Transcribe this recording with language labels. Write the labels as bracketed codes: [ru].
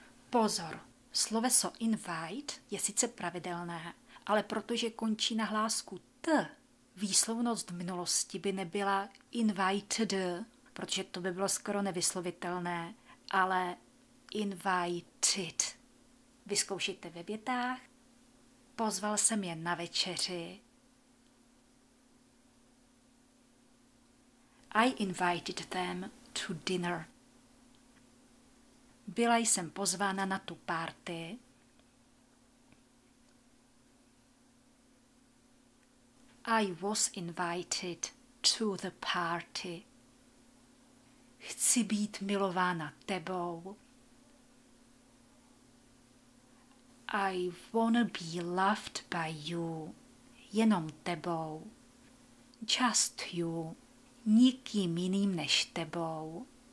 [cs] Pozor, sloveso invite je sice pravidelné, ale protože končí na hlásku t, výslovnost v minulosti by nebyla invited, protože to by bylo skoro nevyslovitelné, ale invited. Vyzkoušejte ve větách. Pozval jsem je na večeři. [en] I invited them to dinner. [cs] Byla jsem pozvána na tu party. [en] I was invited to the party. [cs] Chci být milována tebou. [en] I wanna be loved by you. [cs] Jenom tebou. [en] Just you. [cs] Nikým jiným než tebou.